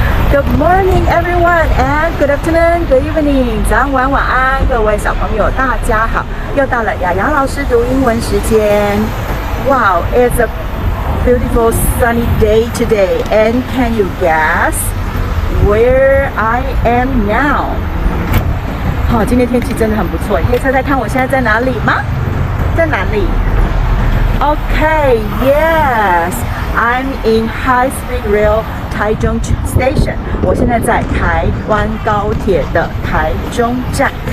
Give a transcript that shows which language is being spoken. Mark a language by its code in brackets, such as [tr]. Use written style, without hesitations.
[en] Good morning, everyone, and good afternoon, good evening. [zh] 早安晚安，各位小朋友，大家好。又到了雅雅老师读英文时间。 [en] Wow, it's a beautiful sunny day today. And can you guess where I am now? [zh] 好，今天天气真的很不错。你可以猜猜看我现在在哪里吗？在哪里 [en] ？Okay, yes, I'm in High Speed Rail Taichung Station. [zh] 我现在在台湾高铁的台中站。